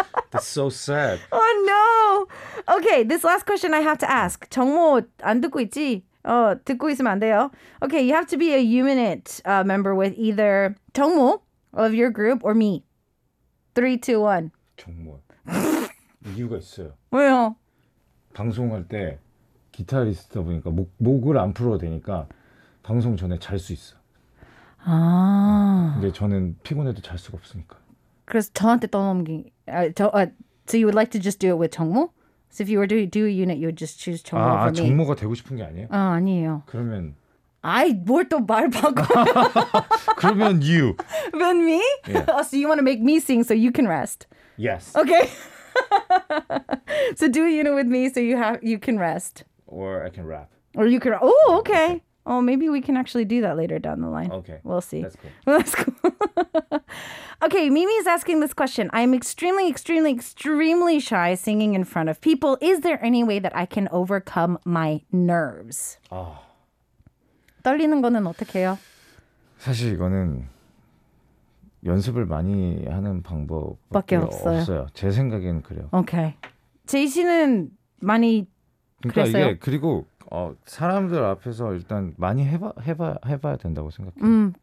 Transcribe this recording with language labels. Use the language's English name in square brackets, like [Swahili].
[English] That's so sad. Oh, no. Okay, this last question I have to ask. [Korean] 정모 안 듣고 있지? 듣고 있으면 안 돼요. [English] Okay, you have to be a unit member with either 정모 of your group or me. 3, 2, 1. [Korean] 정모. 이유가 있어요. 왜요? 방송할 때 기타리스트다 보니까 목을 안 풀어도 되니까 방송 전에 잘 수 있어. 아. 근데 저는 피곤해도 잘 수가 없으니까. 그래서 저한테 떠넘기. [English] So you would like to just do it with 정모? So if you were to do a unit, you would just choose 정모 for me. [Korean] 아, 정모가 되고 싶은 게 아니에요? 아니에요. 그러면. 아이 뭘 또 말 바꿔. 그러면 [English] you. Then me? Yeah. So you want to make me sing so you can rest? Yes. Okay. So do a unit with me so you can rest. Or I can rap. Or you can. Oh, okay. Oh, maybe we can actually do that later down the line. Okay. We'll see. That's cool. Okay, Mimi is asking this question. I am extremely, extremely, extremely shy singing in front of people. Is there any way that I can overcome my nerves? Oh. [Korean] 떨리는 거는 어떻게 해요? 사실 이거는 연습을 많이 하는 방법밖에 없어요. 제 생각에는 그래요. 오케이. 제이 씨는 많이 그랬어요? 그러니까 이게 그리고 사람들 앞에서 일단 많이 해봐야 된다고 생각해요.